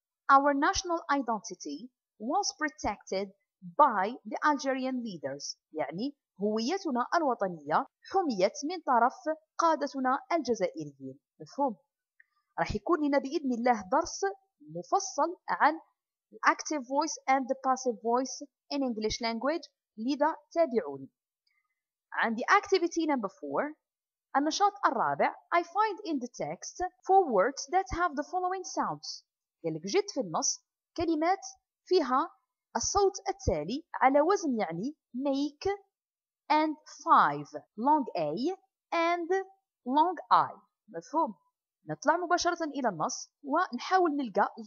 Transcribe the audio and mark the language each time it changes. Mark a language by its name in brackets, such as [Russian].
[English] Our national identity was protected by the Algerian leaders. [Arabic] يعني هويتنا الوطنية حميت من طرف قادتنا الجزائريين. مفهوم؟ رح يكون لنا بإذن الله درس مفصل عن [English] active voice and the passive voice in English language. [Arabic] لذا تابعوني. عندي [English] activity number 4. [Arabic] النشاط الرابع. [English] I find in the text four words that have the following sounds. [Arabic] يلك جد في النص كلمات فيها الصوت التالي على وزن يعني [English] make and five. Long A and long I. [Arabic] مفهوم؟ نطلع مباشرة إلى النص ونحاول نلقى.